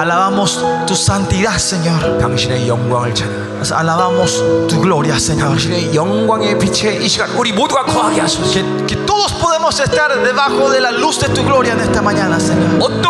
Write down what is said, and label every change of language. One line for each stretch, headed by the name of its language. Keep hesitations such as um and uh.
Spanish: Alabamos tu santidad, Señor.
Korean: 당신의 영광을 찬양합니다.
Spanish: Nos alabamos tu gloria, Señor.
Korean: 당신의 영광의 빛에 이 시간 우리 모두가 거하게 하소서.
Spanish: Que, que todos podemos estar debajo de la luz de tu gloria en esta mañana, Señor.